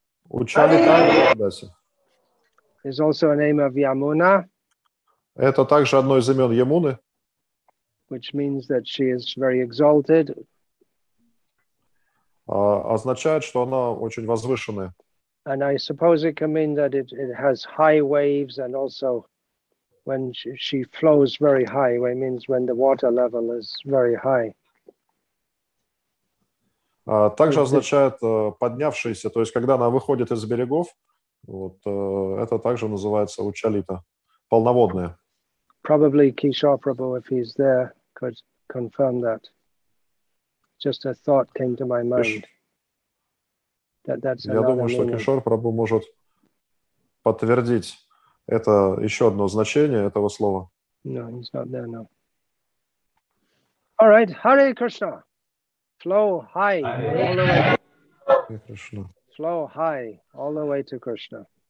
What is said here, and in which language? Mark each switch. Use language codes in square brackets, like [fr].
[ru] Учалита Девидаси. [en] Is also a name of Ямуна. [ru] Это также одно из имен Ямуны. [en] Which means that she is very exalted. [ru] Означает, что она очень возвышенная. [en] And I suppose it can mean that it has high waves, and also when she flows very high, it means when the water level is very high. [ru] Также означает поднявшаяся, то есть когда она выходит из берегов, вот это также называется учалита, полноводная. [en] Probably Kishore Prabhu, if he's there, could confirm that. Just a thought came to my mind. That's [ru] я думаю, что Кишор Прабху может подтвердить это еще одно значение этого слова. [en] No, he's not there, no. All right, Hare Krishna. Flow high. Flow high all the way to Krishna.